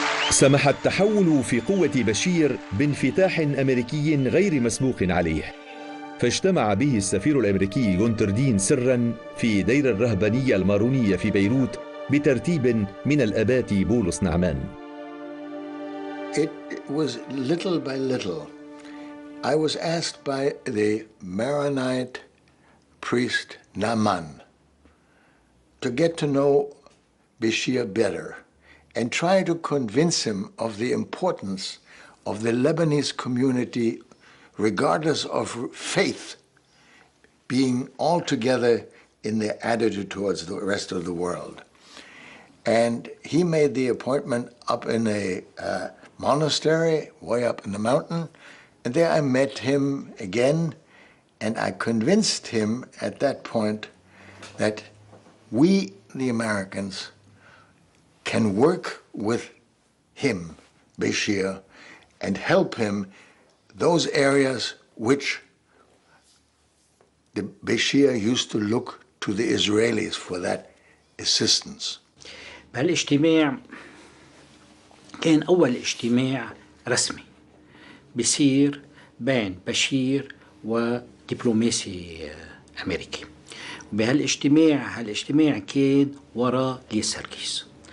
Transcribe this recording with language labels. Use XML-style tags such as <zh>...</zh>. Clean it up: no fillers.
<ar>سمح التحول في قوة بشير بانفتاح أمريكي غير مسبوق عليه، فاجتمع به السفير الأمريكي جونتر دين سراً في دير الرهبانية المارونية في بيروت بترتيب من الأبات بولس نعمان.</ar> <en>It was little by little. I was asked by the Maronite priest Naaman to get to know Bashir better and try to convince him of the importance of the Lebanese community, regardless of faith, being all together in their attitude towards the rest of the world. And he made the appointment up in a monastery way up in the mountain, and there I met him again, and I convinced him at that point that we, the Americans, can work with him, Bashir, and help him those areas which the Bashir used to look to the Israelis for that assistance.</en> <ar>بهالاجتماع كان أول اجتماع رسمي بيصير بين بشير ودبلوماسي أمريكي. بهالاجتماع كان وراء ليه سركيس.</ar>